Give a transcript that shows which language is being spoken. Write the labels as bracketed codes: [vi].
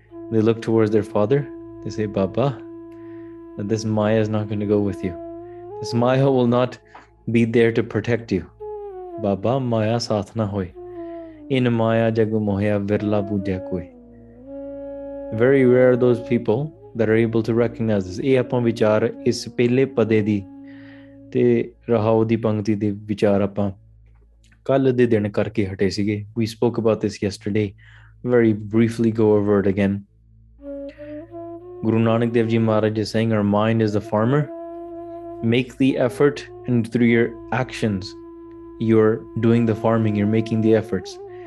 [en] They look towards their father, they say, Baba, this maya is not going to go with you, this maya will not be there to protect you. [pa] Baba, maya saath na hoy, in maya jag mohya virla bujha koi. [en] Very rare are those people that are able to recognize this. [pa] ਇਹ ਆਪਾਂ ਵਿਚਾਰ ਇਸ ਪਹਿਲੇ ਪਦੇ ਦੀ ਤੇ ਰਹਾਉ ਦੀ ਪੰਕਤੀ ਦੇ ਵਿਚਾਰ ਆਪਾਂ ਕੱਲ ਦੇ ਦਿਨ ਕਰਕੇ ਹਟੇ ਸੀਗੇ. [en] We spoke about this yesterday. Very briefly go over it again. Guru Nanak Dev Ji Maharaj is saying, our mind is the farmer. Make the effort, and through your actions, you're doing the farming, you're making the efforts.